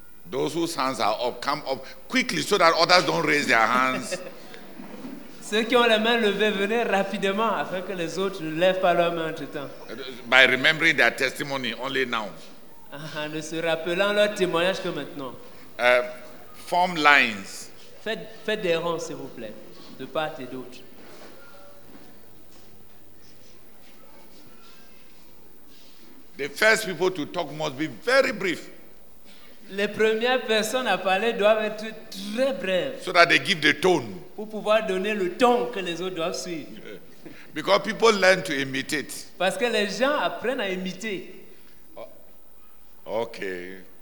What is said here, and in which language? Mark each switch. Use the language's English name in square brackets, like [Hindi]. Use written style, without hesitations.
[English] Those whose hands are up, come up quickly so that others don't raise their hands. [French] Ceux qui ont les mains levées, venez rapidement afin que les autres ne lèvent pas leurs mains entre temps. [English] By remembering their testimony only now. [French] Ne se rappelant leur témoignage que maintenant. [English] Form lines. [French] Faites des ronds, s'il vous plaît, de part et d'autre. [English] The first people to talk must be very brief. [French] Les premières personnes à parler doivent être très brèves. [English] So that they give the tone. [French] Pour pouvoir donner le ton que les autres doivent suivre. [English] Because people learn to imitate. [French] Parce que les gens apprennent à imiter. [English] Oh, okay.